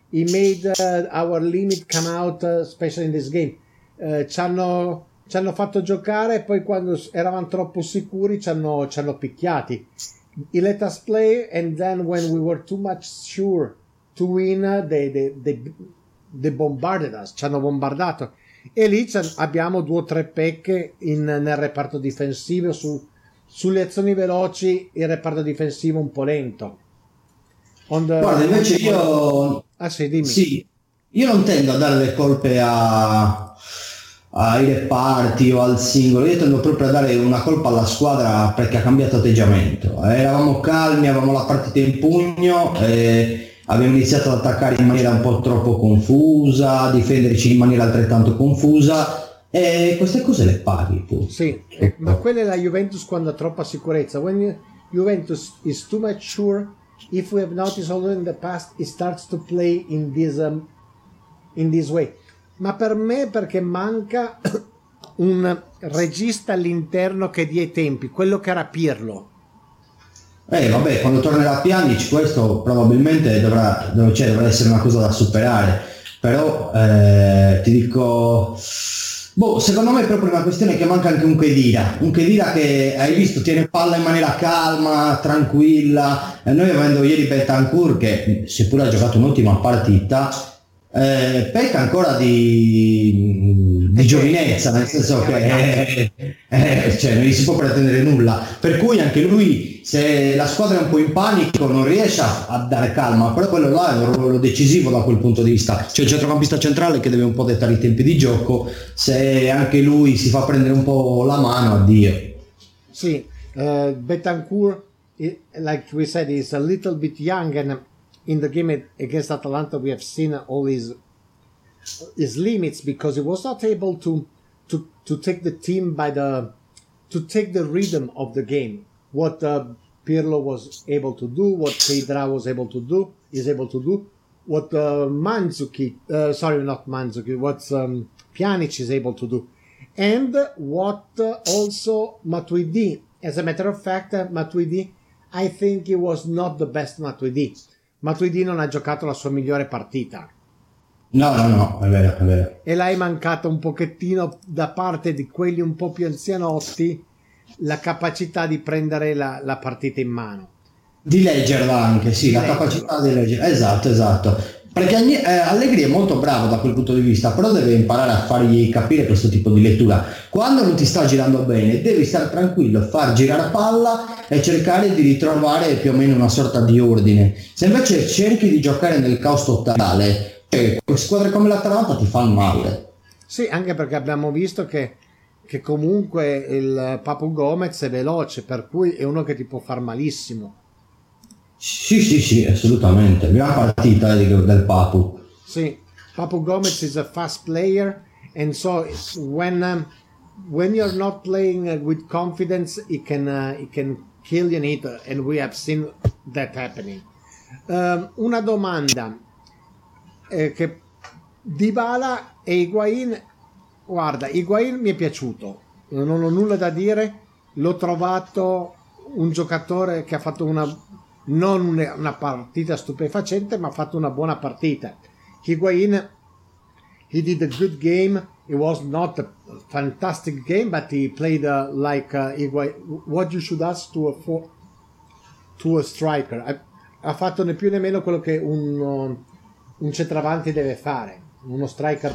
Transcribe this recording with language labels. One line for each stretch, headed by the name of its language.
English: He made our limit come out, especially in this game.
Italian: Ci hanno fatto giocare, poi quando eravamo troppo sicuri ci hanno picchiati.
English: He let us play, and then when we were too much sure to win, they bombarded us,
Italian: ci hanno bombardato. E lì abbiamo due o tre pecche nel reparto difensivo, sulle azioni veloci, il reparto difensivo un po' lento. Guarda, invece io... Ah sì, dimmi. Sì, io non tendo a dare le colpe ai reparti o al singolo, io tendo proprio a dare una colpa alla squadra perché ha cambiato atteggiamento. Eravamo calmi, avevamo la partita in pugno, abbiamo iniziato ad attaccare in maniera un po' troppo confusa, a difenderci in maniera altrettanto confusa, e queste cose le paghi tu. Sì, ecco. Ma quella è la Juventus quando ha troppa sicurezza.
English: When Juventus is too mature... If we have noticed already in the past, it starts to play in this way.
Italian: Ma per me, perché manca un regista all'interno che dia i tempi, quello che era Pirlo. Vabbè, quando tornerà Pjanic, questo probabilmente dovrà essere una cosa da superare. Però ti dico... secondo me è proprio una questione che manca anche un Khedira che, hai visto, tiene palla in maniera calma, tranquilla. Noi avendo ieri Bentancur, che seppure ha giocato un'ottima partita, pecca ancora di giovinezza, nel senso che non gli si può pretendere nulla. Per cui anche lui, se la squadra è un po' in panico, non riesce a dare calma, però quello là è un ruolo decisivo da quel punto di vista. C'è il centrocampista centrale che deve un po' dettare i tempi di gioco, se anche lui si fa prendere un po' la mano, addio.
English: Sì, Betancourt, like we said, is a little bit young, and in the game against Atalanta we have seen all his limits, because he was not able to take the team take the rhythm of the game. What Pirlo was able to do, what Pedra was able to do, is able to do, what Pjanic is able to do, and what also Matuidi. As a matter of fact, Matuidi, I think he was not the best Matuidi.
Italian: Matuidi non ha giocato la sua migliore partita. No, è vero. E l'hai mancata un pochettino da parte di quelli un po' più anzianotti, la capacità di prendere la partita in mano. Di leggerla anche, sì, la capacità di leggerla. Esatto. Perché Allegri è molto bravo da quel punto di vista, però deve imparare a fargli capire questo tipo di lettura. Quando non ti sta girando bene, devi stare tranquillo, far girare palla e cercare di ritrovare più o meno una sorta di ordine. Se invece cerchi di giocare nel caos totale, cioè, squadre come l'Atalanta ti fanno male. Sì, anche perché abbiamo visto che comunque il Papu Gomez è veloce, per cui è uno che ti può far malissimo. Sì, sì, sì, assolutamente. Gran partita del Papu.
English: Sì, Papu Gomez is a fast player, and so when you're not playing with confidence, he can kill you an hitter, and we have seen that happening.
Italian: Una domanda. Che Dybala e Higuain, guarda, Higuain mi è piaciuto, non ho nulla da dire, l'ho trovato un giocatore che ha fatto non una partita stupefacente, ma ha fatto una buona partita.
English: Higuain, he did a good game, it was not a fantastic game, but he played like Higuain, what you should ask to a striker.
Italian: Ha fatto né più né meno quello che un centravanti deve fare, uno striker.